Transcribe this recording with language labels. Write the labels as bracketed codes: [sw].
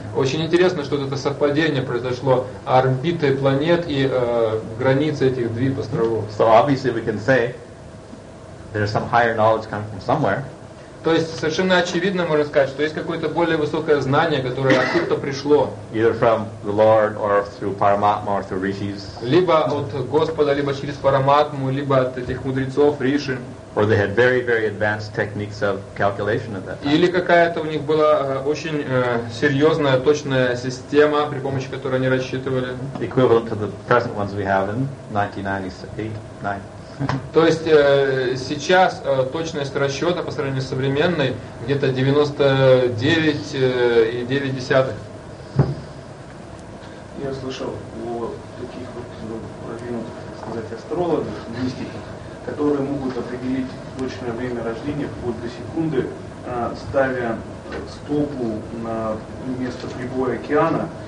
[ru] Очень интересно, что это совпадение произошло орбиты планет и границы этих двух островов. [en] So obviously we can say there's some higher knowledge coming from somewhere. [ru] То есть совершенно очевидно можно сказать, что есть какое-то более высокое знание, которое откуда-то пришло. [en] Either from the Lord or through Paramatma or through Rishis. [ru] Либо от Господа, либо через Параматму, либо от этих мудрецов, Риши. [en] Or they had very, very advanced techniques of calculation at that time. [ru] Или какая-то у них была очень серьезная, точная система, при помощи которой они рассчитывали. [en] Equivalent to the present ones we have in 1998-9. [ru] То есть сейчас точность расчета по сравнению с современной где-то 99.9. Я слышал о таких вот продвинутых, так сказать, астрологах, мистиках, которые могут определить точное время рождения вплоть до секунды, ставя стопу на место прибоя океана.